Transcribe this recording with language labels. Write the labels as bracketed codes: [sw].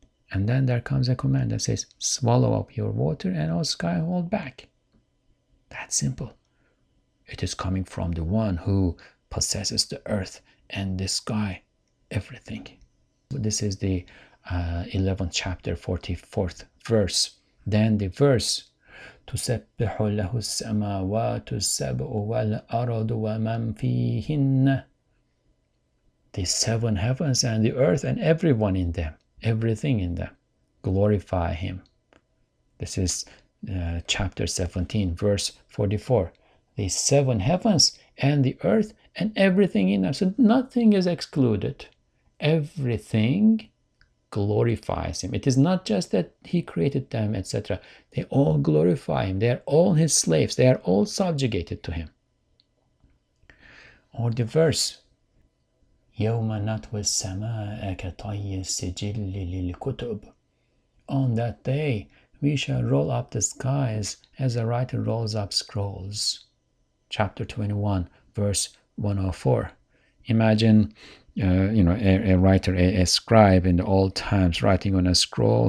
[en] And then there comes a command that says, swallow up your water and all sky hold back. That simple. It is coming from the one who possesses the earth and the sky, everything. This is the 11th chapter, 44th verse. Then the verse, [ar] تُسَبِّحُ لَهُ السَّمَاوَاتُ السَّبْعُ وَالْأَرَضُ وَمَنْ فِيهِنَّ. [en] The seven heavens and the earth and everyone in them, everything in them, glorify him. This is chapter 17, verse 44. The seven heavens and the earth and everything in them. So nothing is excluded. Everything glorifies him. It is not just that he created them, etc. They all glorify him. They are all his slaves. They are all subjugated to him. Or the verse, [ar] يَوْمَ نَطْوِ السَّمَاءَ كَطَيِّ السِّجِلِّ لِلْكُتُبِ. [en] On that day, we shall roll up the skies as a writer rolls up scrolls. Chapter 21, verse 104. Imagine, a writer, a scribe in the old times, writing on a scroll.